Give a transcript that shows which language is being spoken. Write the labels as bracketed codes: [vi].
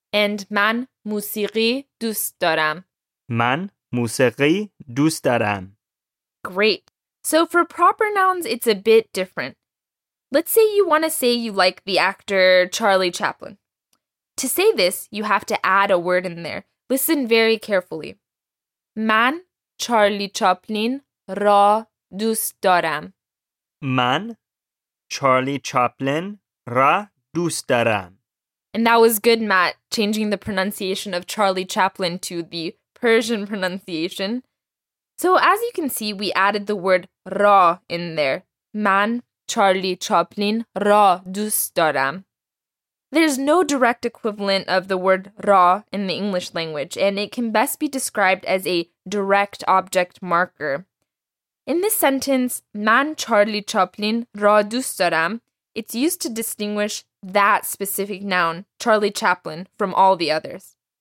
[fa] And من موسیقی دوست دارم. من موسیقی دوست دارم. [en] Great. So for proper nouns, it's a bit different. Let's say you want to say you like the actor Charlie Chaplin. To say this, you have to add a word in there. Listen very carefully. [fa] من Charlie Chaplin را دوست دارم. من چارلی چاپلین را دوست دارم. [en] And that was good, Matt, changing the pronunciation of Charlie Chaplin to the Persian pronunciation. So as you can see, we added the word را in there. [fa] من چارلی چاپلین را دوست دارم. [en] There's no direct equivalent of the word را in the English language, and it can best be described as a direct object marker. In this sentence, [fa] man Charlie Chaplin ra dust daram, [en] it's used to distinguish that specific noun, Charlie Chaplin, from all the others.